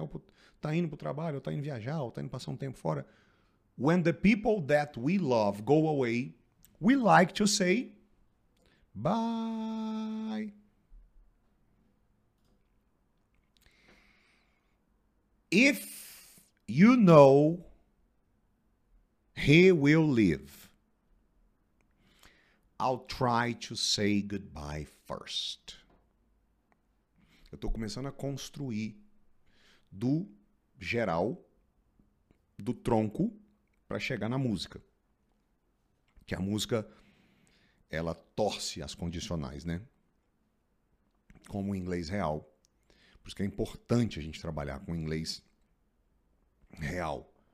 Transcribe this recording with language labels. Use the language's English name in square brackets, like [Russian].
[Portuguese] Ou tá indo pro trabalho, ou tá indo viajar, ou tá indo passar um tempo fora. [English] When the people that we love go away, we like to say bye. If you know he will live, I'll try to say goodbye first. [Portuguese] Eu tô começando a construir do geral, do tronco, para chegar na música. Que a música, ela torce as condicionais, né? Como o inglês real. Por isso que é importante a gente trabalhar com o inglês real.